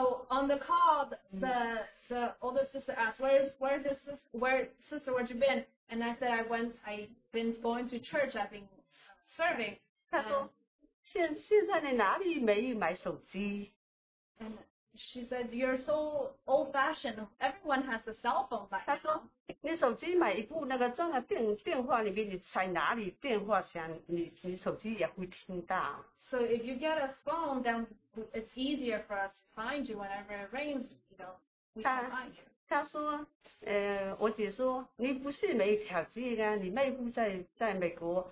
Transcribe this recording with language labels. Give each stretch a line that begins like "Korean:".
English: On the call, the older sister asked, where'd you been? And I said, I've been going to church, I've been serving.
Chinese: 她说，现在你哪里没买手机？
English: And she said, you're so old fashioned, everyone has a cell phone.
Chinese: 她说，你手机买一部那个装在电话里面，你在哪里电话响，你手机也会听到。
English: So if you get a phone, then it's easier for us to find you whenever it rains, you know, we can find you.